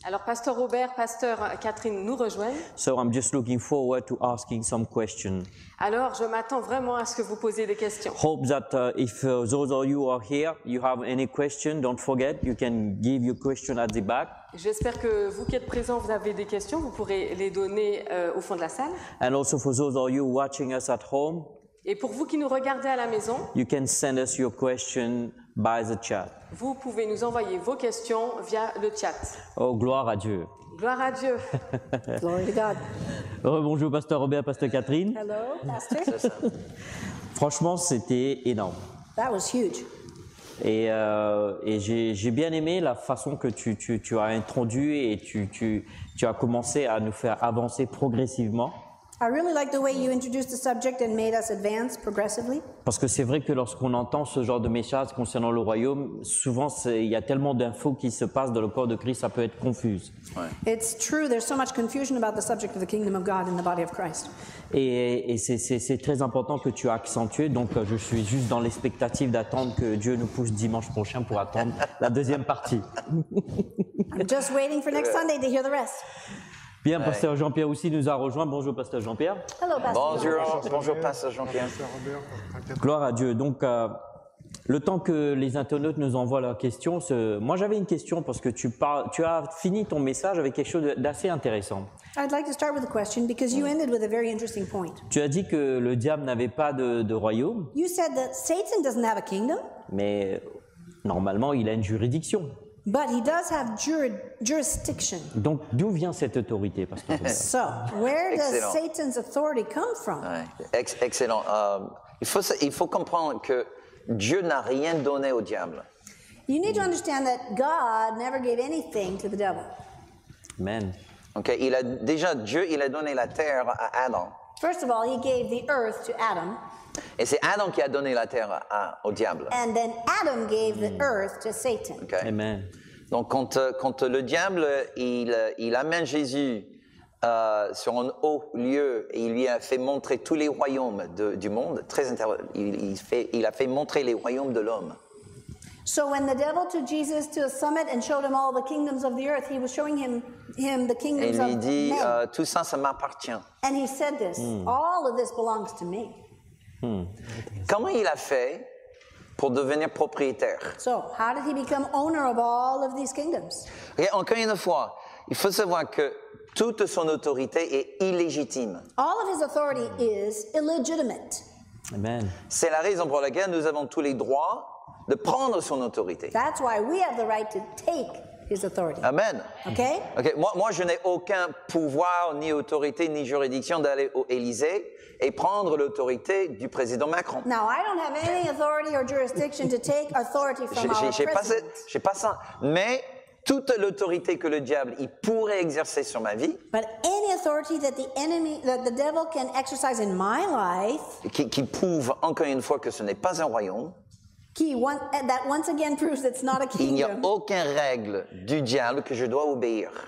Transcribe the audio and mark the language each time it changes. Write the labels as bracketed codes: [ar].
[fr] Alors, Pasteur Robert, Pasteur Kathryn nous rejoignent. [en] So I'm just looking forward to asking some questions. [fr] Alors, je m'attends vraiment à ce que vous posiez des questions. [en] Hope that if those of you are here, you have any questions, don't forget, you can give your question at the back. [fr] J'espère que vous qui êtes présents, vous avez des questions, vous pourrez les donner au fond de la salle. [en] And also for those of you watching us at home. [fr] Et pour vous qui nous regardez à la maison, [en] you can send us your question by the chat. [fr] Vous pouvez nous envoyer vos questions via le chat. Oh, gloire à Dieu. Gloire à Dieu. [en] Glory to God. [fr] Bonjour, Pasteur Robert, Pasteur Kathryn. [en] Hello, Pasteur. [fr] Franchement, c'était énorme. [en] That was huge. [fr] Et j'ai bien aimé la façon que tu as introduit et tu as commencé à nous faire avancer progressivement. [en] I really like the way you introduced the subject and made us advance progressively. [fr] Parce que c'est vrai que lorsqu'on entend ce genre de messages concernant le royaume, souvent il y a tellement d'infos qui se passent dans le corps de Christ, ça peut être confus. Ouais. [en] It's true, there's so much confusion about the subject of the kingdom of God in the body of Christ. [fr] Et c'est très important que tu as accentué, donc je suis juste dans l'expectative d'attendre que Dieu nous pousse dimanche prochain pour attendre la deuxième partie. [en] I'm just waiting for next Sunday to hear the rest. [fr] Bien, Pasteur Jean-Pierre aussi nous a rejoint. Bonjour, Pasteur Jean-Pierre. [en] Hello, Pasteur. [fr] Bonjour, Pasteur Jean-Pierre. Gloire à Dieu. Donc, le temps que les internautes nous envoient leurs questions, moi j'avais une question parce que tu as fini ton message avec quelque chose d'assez intéressant. [en] I'd like to start with a question because you ended with a very interesting point. [fr] Tu as dit que le diable n'avait pas de royaume. [en] You said that Satan doesn't have a kingdom. [fr] Mais normalement, il a une juridiction. [en] But he does have jurisdiction. [fr] Donc, d'où vient cette autorité, Pasteur Robert? [en] So, where does excellent. Satan's authority come from? [fr] Ouais. Excellent. Il faut comprendre que Dieu n'a rien donné au diable. [en] You need to understand that God never gave anything to the devil. Amen. [fr] Okay, Dieu a donné la terre à Adam. [en] First of all, he gave the earth to Adam. [fr] Et c'est Adam qui a donné la terre au diable. [en] And then Adam gave the earth to Satan. Okay. Amen. [fr] Donc quand le diable il amène Jésus sur un haut lieu et il lui a fait montrer tous les royaumes du monde, très intéressant, il a fait montrer les royaumes de l'homme. [en] So when the devil took Jesus to a summit and showed him all the kingdoms of the earth, he was showing him the kingdoms of men. [fr] Et lui dit, tout ça m'appartient. [en] And he said this, all of this belongs to me. [fr] Comment il a fait pour devenir propriétaire? [en] So, how did he become owner of all of these kingdoms? [fr] Okay, encore une fois, il faut savoir que toute son autorité est illégitime. [en] All of his authority is illegitimate. Amen. [fr] C'est la raison pour laquelle nous avons tous les droits de prendre son autorité. [en] That's why we have the right to take his authority. Amen. Okay? [fr] Okay, moi je n'ai aucun pouvoir ni autorité ni juridiction d'aller au Élysée et prendre l'autorité du président Macron. [en] Now, I don't have any authority or jurisdiction to take authority from our president. [fr] J'ai pas ça. Mais toute l'autorité que le diable il pourrait exercer sur ma vie. [en] But any authority that the devil can exercise in my life. [fr] Qui prouve encore une fois que ce n'est pas un royaume. [en] That once again proves it's not a kingdom. [fr] Il n'y a aucune règle du diable que je dois obéir.